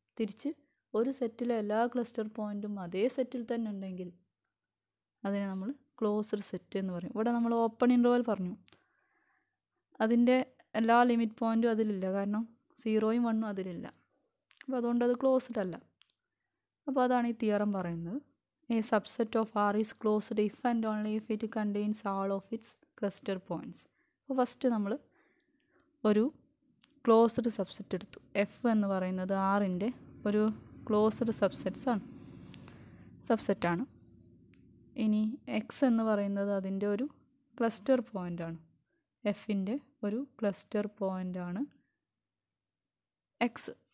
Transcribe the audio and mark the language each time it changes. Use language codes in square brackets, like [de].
[ml] തിരിച്ച് ഒരു സെറ്റിലെ എല്ലാ ക്ലസ്റ്റർ പോയിൻറ്റും അതേ സെറ്റിൽ തന്നെ ഉണ്ടെങ്കിൽ അതിനെ നമ്മൾ ക്ലോസ്ഡ് സെറ്റ് എന്ന് പറയും. ഇവിടെ നമ്മൾ ഓപ്പൺ ഇൻ്റർവൽ പറഞ്ഞു, അതിൻ്റെ എല്ലാ ലിമിറ്റ് പോയിൻറ്റും അതിലില്ല, കാരണം സീറോയും വണ്ണും അതിലില്ല. അപ്പോൾ അതുകൊണ്ട് അത് ക്ലോസ്ഡ് അല്ല. അപ്പോൾ അതാണ് ഈ തിയറം പറയുന്നത്. [en] A subset of R is closed if and only if it contains all of its cluster points. [ml] അപ്പോൾ ഫസ്റ്റ് നമ്മൾ ഒരു ക്ലോസ്ഡ് സബ്സെറ്റ് എടുത്തു. എഫ് എന്ന് പറയുന്നത് ആറിൻ്റെ ഒരു ക്ലോസ്ഡ് സബ്സെറ്റാണ്. ഇനി എക്സ് എന്ന് പറയുന്നത് അതിൻ്റെ ഒരു ക്ലസ്റ്റർ പോയിൻ്റാണ്, എഫിൻ്റെ ഒരു ക്ലസ്റ്റർ പോയിൻ്റാണ് എക്സ്.